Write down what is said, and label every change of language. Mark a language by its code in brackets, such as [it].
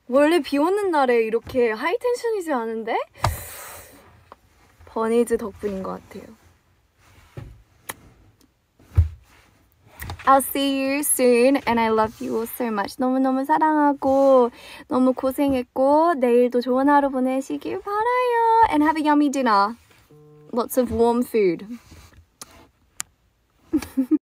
[ko] 원래 비 오는 날에 이렇게 하이텐션이지 않은데? 버니즈 덕분인 것 같아요. [en] I'll see you soon and I love you so much. [ko] 너무너무 사랑하고 너무 고생했고 내일도 좋은 하루 보내시길 바라요. [en] And have a yummy dinner. Lots of warm food.